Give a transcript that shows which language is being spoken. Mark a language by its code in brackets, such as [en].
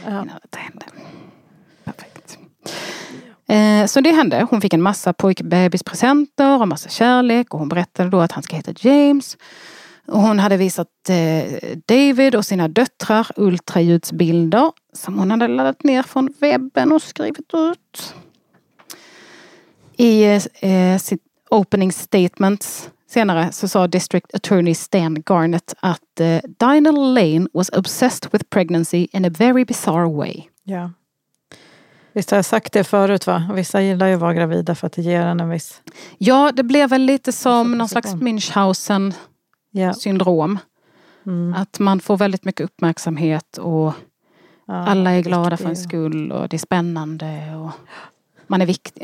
[sv] ja. Innan det hände. Perfekt. Så det hände. Hon fick en massa pojkbebispresenter och massa kärlek. Och hon berättade då att han ska heta James. Och hon hade visat David och sina döttrar ultraljudsbilder som hon hade laddat ner från webben och skrivit ut. I sitt opening statements senare så sa District Attorney Stan Garnett att [en] Dinell Lane was obsessed with pregnancy in a very bizarre way. [sv] Ja. Visst har jag sagt det förut, va? Vissa gillar ju att vara gravida för att det ger en viss... Ja, det blev väl lite som någon slags Münchhausen-syndrom. Yeah. Mm. Att man får väldigt mycket uppmärksamhet och alla är glada för en skull och det är spännande och man är viktig.